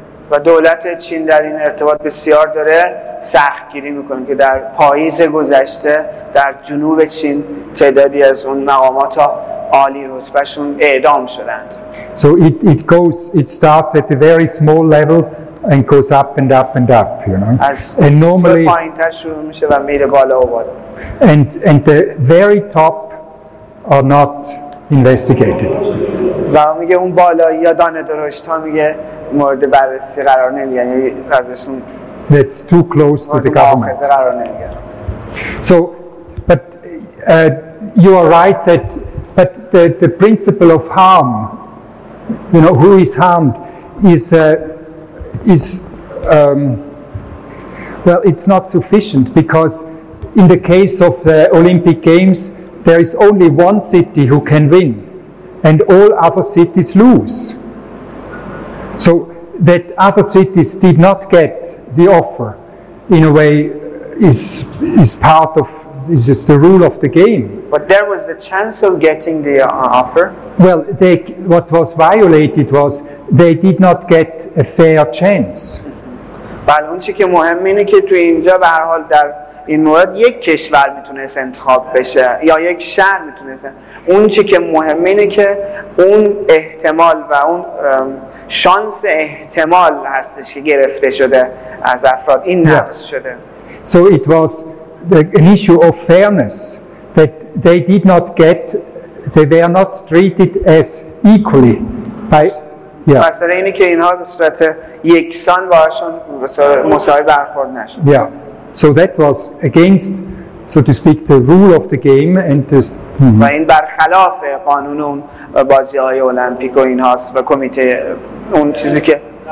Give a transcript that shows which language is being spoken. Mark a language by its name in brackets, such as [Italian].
[Persian] و دولت چین در این ارتباط بسیار داره سختگیری میکنه که در پاییز گذشته در جنوب چین تعدادی از اون مقامات عالی رتبهشون اعدام شدند. [English] So it goes, it starts at a very small level and goes up and up and up, you know. And [Persian] normally, پایین‌تر شروع میشه و میره بالا و بالا. [English] And the very top are not investigated. [Persian] و میگه اون بالایی یا دانه درشت ها میگه مورد بررسی قرار نمیگن، یعنی ازشون [English] That's too close to the government. [Persian] قرار نمیگن. [English] So, but you are right that but the principle of harm, you know, who is harmed is it's not sufficient, because in the case of the Olympic Games there is only one city who can win and all other cities lose. So that other cities did not get the offer in a way is part of this is the rule of the game. But there was the chance of getting the offer. Well, what was violated was they did not get a fair chance. [Persian] بله، اون چی که مهم اینه که تو اینجا به هر حال در این مورد یک کشور میتونست انتخاب بشه یا یک شهر میتونست. اون چی که مهم اینه که اون احتمال و اون شانس احتمال هستش که گرفته شده از افراد، این نقص شده. [English] So it was an issue of fairness that they did not get, they were not treated as equally by [Persian] مسئله اینه که اینها به صورت یکسان باشون مساوی برخورد نشد. [English] Yeah, so that was against, so to speak, the rule of the game and this [Persian] و این برخلاف قانون اون بازی های المپیک و این هاست و کمیته اون چیزی که در